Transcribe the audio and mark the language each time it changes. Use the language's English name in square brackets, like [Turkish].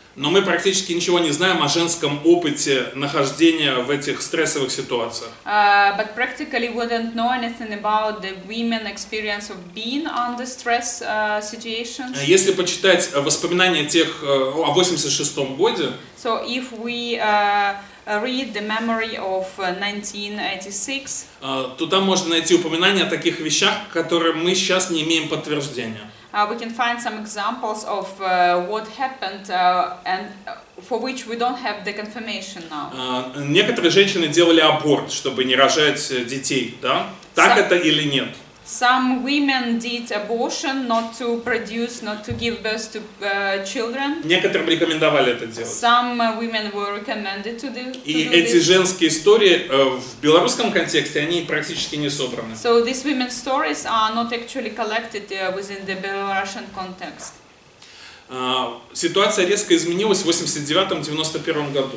[Russian] Но мы практически ничего не знаем о женском опыте нахождения в этих стрессовых ситуациях. [English] But practically we don't know anything about the women experience of being under stress situations. [Russian] Если почитать воспоминания тех о 86-м годе, [English] so if we read the memory of 1986, [Russian] то там можно найти упоминания о таких вещах, которые мы сейчас не имеем подтверждения. [English] We can find some examples of what happened and for which we don't have the confirmation now. [Russian] Некоторые женщины делали аборт, чтобы не рожать детей, да? Так [English] some, [Russian] это или нет? [English] Some women did abortion not to produce, not to give birth to children. [Russian] Некоторым рекомендовали это делать. [English] Some women were recommended to do this. [Russian] И эти женские истории в белорусском контексте, они практически не собраны. [English] So these women's stories are not actually collected within the Belarusian context. [Russian] Ситуация резко изменилась в 89-91 году.